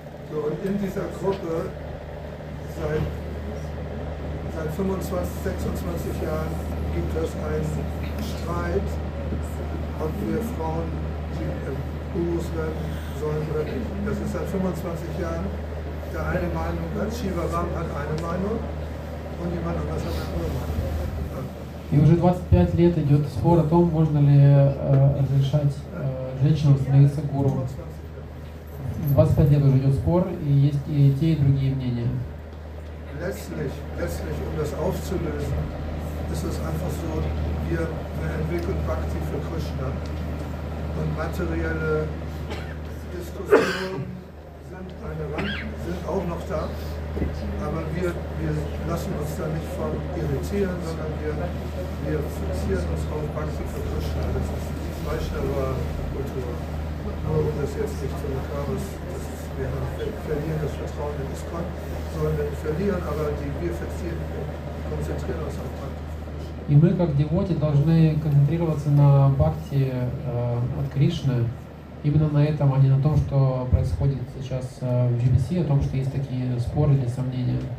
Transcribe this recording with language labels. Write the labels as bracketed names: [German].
[German] So, in dieser Gruppe seit 25, 26 Jahren gibt es einen Streit ob wir Frauen die Gurus werden sollen oder nicht. Das ist seit 25 Jahren der eine Meinung. Shiva Ram hat eine Meinung und jemand anders hat eine andere Meinung. [Russian] И уже 25 лет идет спор о том, можно ли разрешать женщинам становиться гуру. 25 лет уже идет спор, и есть и те, и другие мнения. [German] Letztlich, um das aufzulösen, ist es einfach so, wir entwickeln Bhakti für Krishna. Und materielle Diskussionen sind auch noch da. Aber wir lassen uns da nicht von irritieren, sondern wir fixieren uns auf Bhakti für Krishna. Das ist die Vaishnava-Kultur. Nur um das jetzt nicht zu makabres, wir verlieren das Vertrauen in ISKCON, sondern wir verlieren, aber wir fixieren und konzentrieren uns auf Bhakti. [Russian] И мы, как девоти, должны концентрироваться на бхакти от Кришны, именно на этом, а не на том, что происходит сейчас в GBC, о том, что есть такие споры или сомнения.